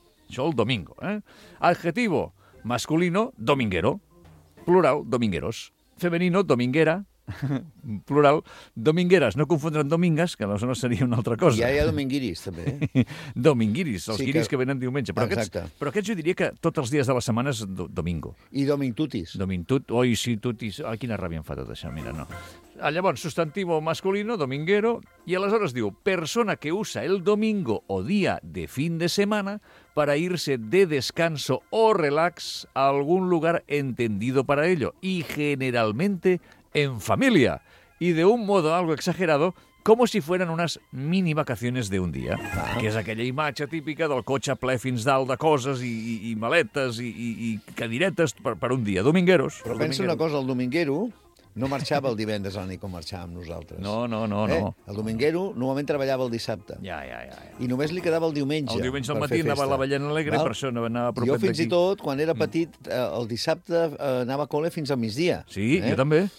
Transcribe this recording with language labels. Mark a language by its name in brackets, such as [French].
[Spanish] Yo el domingo, ¿eh? Adjetivo masculino dominguero, plural domingueros, femenino dominguera, plural domingueras, no confundan domingas, que [Catalan] aleshores [Spanish] sería una otra cosa. Y hay dominguiris también. Dominguiris, los sí, guiris que [Catalan] venen diumenge, [Spanish] pero [Catalan] aquests [Spanish] yo diría que todos los días de la semana es domingo. Y domingtutis. [Catalan] Tutis, ay, quina ràbia em fa tot això, mira, no. [Spanish] Llavors, sustantivo masculino, dominguero, [Catalan] i aleshores diu, [Spanish] persona que usa el domingo o día de fin de semana para irse de descanso o relax a algún lugar entendido para ello, y generalmente en familia, y de un modo algo exagerado, como si fueran unas mini vacaciones de un día, [Catalan] que és aquella imatge típica del cotxe ple fins dalt de coses i maletes i cadiretes per un día, [Spanish] domingueros. [Catalan] Però pensa una cosa, el dominguero... No marxava el divendres a la nit com marxàvem nosaltres. No. El dominguero normalment treballava el dissabte. Ja. I només li quedava el diumenge. El diumenge al matí anava a la Vallena Alegre, per això anava propet d'aquí. Jo fins i tot, quan era petit, el dissabte anava a col·le fins al migdia. Sí, jo també.